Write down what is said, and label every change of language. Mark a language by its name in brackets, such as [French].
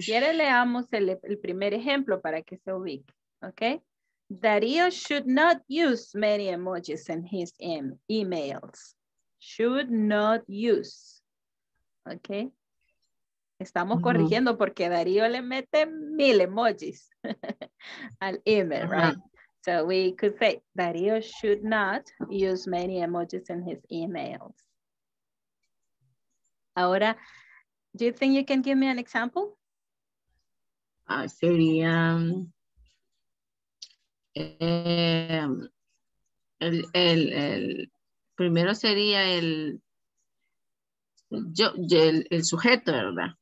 [Spanish] Si quiere, leamos el primer ejemplo para que se ubique. [English] Okay. Darío should not use many emojis in his emails. Should not use. Okay. [Spanish] Estamos corrigiendo porque Darío le mete mil emojis al email, right? [English] So we could say, Darío should not use many emojis in his emails. Ahora, do you think you can give me an example? [Spanish] Sería el primero sería el yo, el sujeto, ¿verdad?